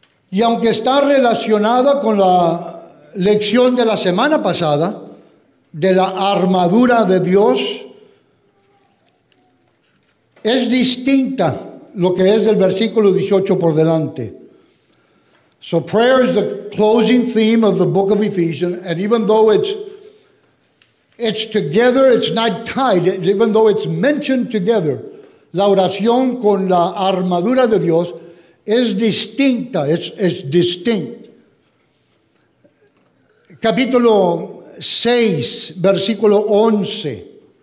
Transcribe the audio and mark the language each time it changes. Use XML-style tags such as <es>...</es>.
<es>Y aunque está relacionada con la lección de la semana pasada, de la armadura de Dios, es distinta lo que es del versículo 18 por delante.</es> <en>So prayer is the closing theme of the book of Ephesians. And even though it's together, it's not tied. Even though it's mentioned together.</en> <es>La oración con la armadura de Dios es distinta.</es> <en>It's distinct.</en> <es>Capítulo 6, versículo 11.</es>